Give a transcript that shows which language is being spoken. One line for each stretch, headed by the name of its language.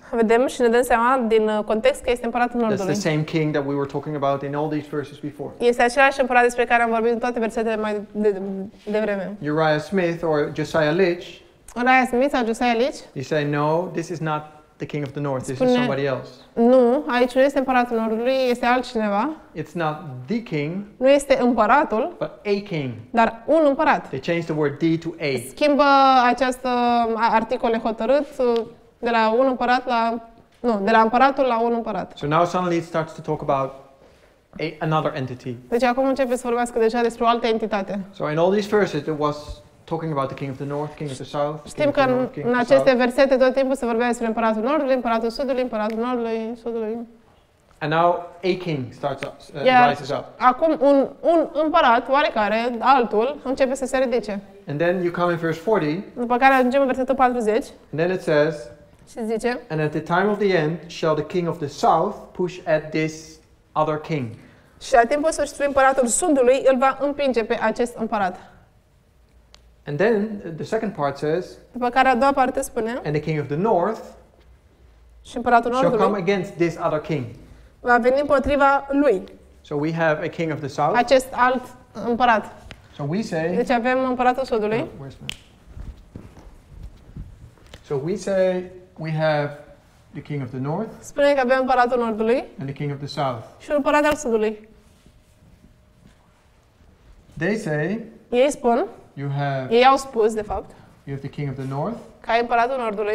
Romanian: Vedem și ne dăm seama din context că este împăratul nordului.
English: That's the same king that we were talking about in all these verses before.
Romanian: Este același împărat despre care am vorbit în toate versetele mai devreme.
English: Uriah Smith or Josiah Litch.
Romanian: Uriah Smith sau Josiah Litch.
English: You say, no, this is not the king of the north, this is somebody else.
Romanian: Nu, aici nu este împăratul nordului, este altcineva.
English: It's not the king.
Romanian: Nu este împăratul.
English: But a king.
Romanian: Dar un împărat.
English: They changed the word D to A.
Romanian: Schimbă acest articol nehotărât de la un împărat la nu, de la împăratul la un împărat.
English: So now suddenly it starts to talk about another entity.
Romanian: Deci acum începe să vorbească deja despre o altă entitate.
English: So in all these verses it was talking about the king of the north, king of the south.
Romanian: Știm că în aceste versete tot timpul se vorbea despre împăratul nordului, împăratul sudului, împăratul nordului, sudului.
English: And now a king starts up, rises up.
Romanian: Acum un împărat oarecare, altul, începe să se ridice.
English: And then you come in verse 40.
Romanian: După care ajungem în versetul 40.
English: And then it says.
Romanian: Și zice.
English: And at the time of the end shall the king of the south push at this other king.
Romanian: Și la timpul sfârșitului împăratul sudului îl va împinge pe acest împărat.
English: And then the second part says.
Romanian: După care a doua parte spune.
English: And the king of the north.
Romanian: Și împăratul nordului.
English: Shall come against this other king.
Romanian: Va veni împotriva lui.
English: So we have a king of the south.
Romanian: Acest alt împărat.
English: So we say.
Romanian: Deci avem împăratul sudului.
English: So we say we have the king of the north.
Romanian: Spune că avem împăratul nordului.
English: And the king of the south.
Romanian: Și împărat al sudului.
English: They say.
Romanian: Ei spun.
English: You have.
Romanian: Ei au spus de fapt.
English: You have the king of the north.
Romanian: Că ai împăratul nordului.